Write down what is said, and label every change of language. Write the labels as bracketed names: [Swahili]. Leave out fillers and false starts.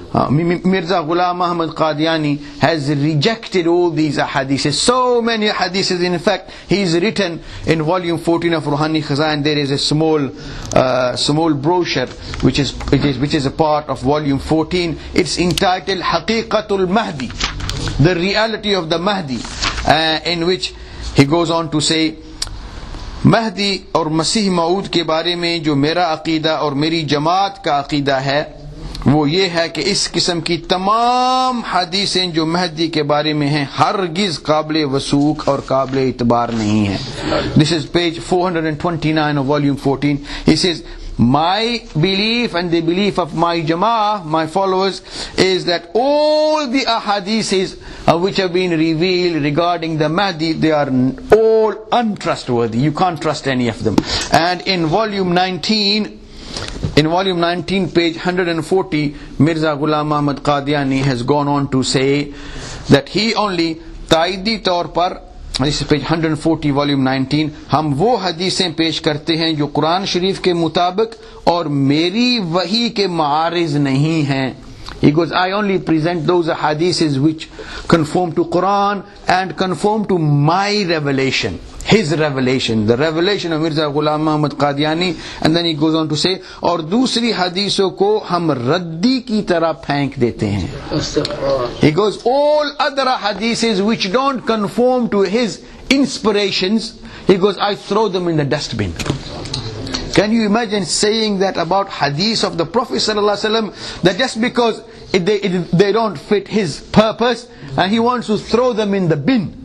[English] Mirza Ghulam Ahmad Qadiani has rejected all these ahadiths. So many ahadiths. In fact, he's written in volume 14 of Ruhani Khazan, there is a small brochure which is a part of volume 14. It's entitled Haqiqatul Mahdi, the reality of the Mahdi, in which he goes on to say, [Urdu] مہدی اور مسیح موعود کے بارے میں جو میرا عقیدہ اور میری جماعت کا عقیدہ ہے وہ یہ ہے کہ اس قسم کی تمام حدیثیں جو مہدی کے بارے میں ہیں ہرگز قابل وسوخ اور قابل اعتبار نہیں ہیں. [English] This is page 429 of volume 14. He says, my belief and the belief of my jama'ah, my followers, is that all the ahadiths which have been revealed regarding the Mahdi, they are all untrustworthy. You can't trust any of them. And in volume 19, page 140, Mirza Ghulam Ahmad Qadiani has gone on to say that he only ta'idi taur par, this is page 140, volume 19, [Urdu] ہم وہ حدیثیں پیش کرتے ہیں جو قرآن شریف کے مطابق اور میری وحی کے معارض نہیں ہیں. [English] He goes, I only present those hadiths which conform to Quran and conform to my revelation, his revelation, the revelation of Mirza Ghulam Ahmad Qadiani. And then he goes on to say, [Urdu] اور دوسری حدیثوں کو ہم ردی کی طرح پھینک دیتے ہیں. [English] He goes, all other hadiths which don't conform to his inspirations, he goes, I throw them in the dustbin. Can you imagine saying that about hadith of the Prophet sallallahu alaihi wasallam, that just because they don't fit his purpose, and he wants to throw them in the bin?